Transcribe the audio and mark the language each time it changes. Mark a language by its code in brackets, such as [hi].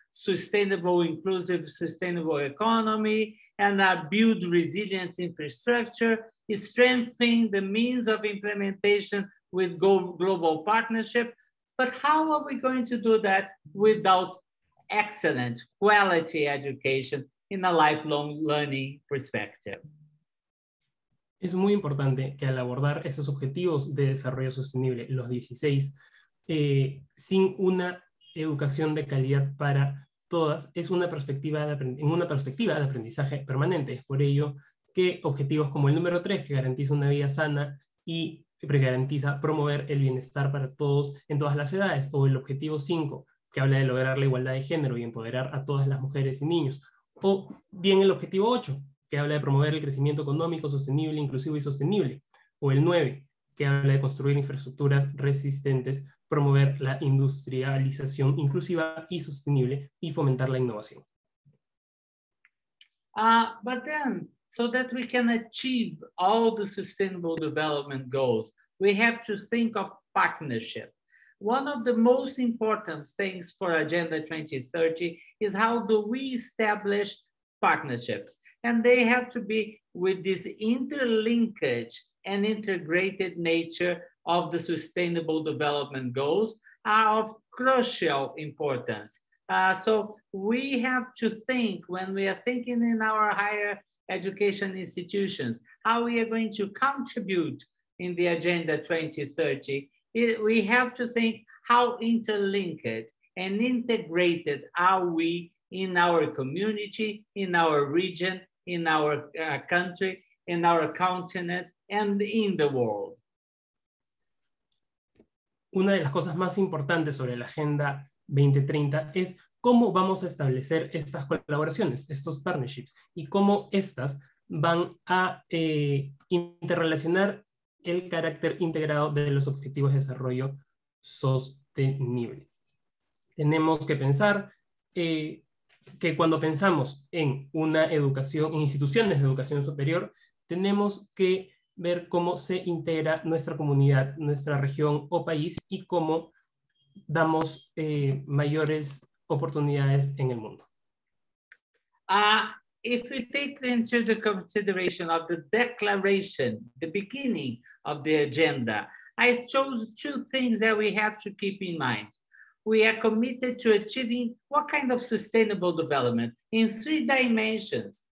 [en] sustainable, inclusive, sustainable economy, and build resilient infrastructure, strengthen the means of implementation with global partnership. But how are we going to do that without excellent quality education in a lifelong learning perspective? [es] Es muy importante que al abordar esos objetivos de desarrollo sostenible, los 16, sin una educación de calidad para todas, es una perspectiva de aprendizaje permanente. Es por ello que objetivos como el número 3, que garantiza una vida sana y garantiza promover el bienestar para todos en todas las edades, o el objetivo 5, que habla de lograr la igualdad de género y empoderar a todas las mujeres y niños, o bien el objetivo 8, que habla de promover el crecimiento económico sostenible, inclusivo y sostenible, o el 9, que habla de construir infraestructuras resistentes, promover la industrialización inclusiva y sostenible y fomentar la innovación. [en] But then, so that we can achieve all the sustainable development goals, we have to think of partnership. One of the most important things for Agenda 2030 is how do we establish partnerships? And they have to be with this interlinkage and integrated nature of the Sustainable Development Goals are of crucial importance. So we have to think, when we are thinking in our higher education institutions, how we are going to contribute in the Agenda 2030, we have to think how interlinked and integrated are we in our community, in our region, in our country, in our continent, and in the world. [es] Una de las cosas más importantes sobre la Agenda 2030 es cómo vamos a establecer estas colaboraciones, estos partnerships, y cómo estas van a interrelacionar el carácter integrado de los objetivos de desarrollo sostenible. Tenemos que pensar que cuando pensamos en una educación, en instituciones de educación superior, tenemos que ver cómo se integra nuestra comunidad, nuestra región o país, y cómo damos mayores oportunidades en el mundo. [en] If we take into the consideration of the declaration, the beginning of the agenda, I chose two things that we have to keep in mind. We are committed to achieving what kind of sustainable development in three dimensions.